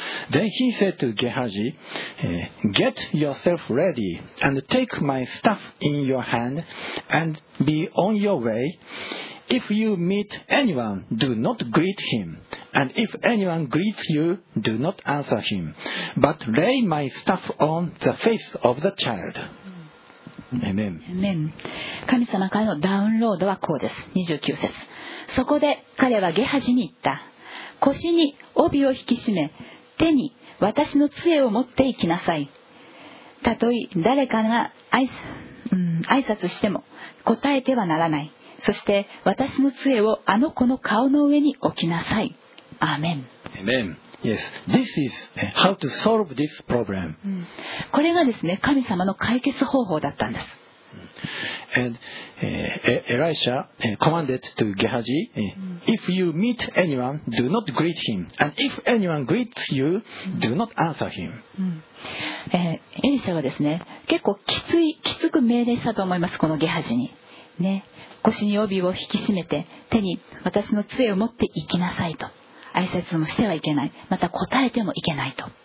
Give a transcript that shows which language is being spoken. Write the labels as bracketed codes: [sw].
[en] Then he said to Gehazi, Get yourself ready and take my staff in your hand and be on your way. If you meet anyone, do not greet him. And if anyone greets you, do not answer him. But lay my staff on the face of the child. Amen. Amen. [ja] 神様からのダウンロードはこうです。29節。そこで彼はゲハジに言った。腰に帯を引き締め、手に私の杖を持っていきなさい。たとえ誰かが挨拶しても答えてはならない。そして私の杖をあの子の顔の上に置きなさい。アーメン。 [en] Amen. Yes. This is how to solve this problem. [ja] これがですね、神様の解決方法だったんです。 [en] And Elisha commanded to Gehazi, if you meet anyone, do not greet him. And if anyone greets you, do not answer him. [ja] エリシャはですね、結構きつく命令したと思います、このゲハジに。ね。腰に帯を引き締めて、手に私の杖を持って行きなさいと。挨拶もしてはいけない。また答えてもいけないと。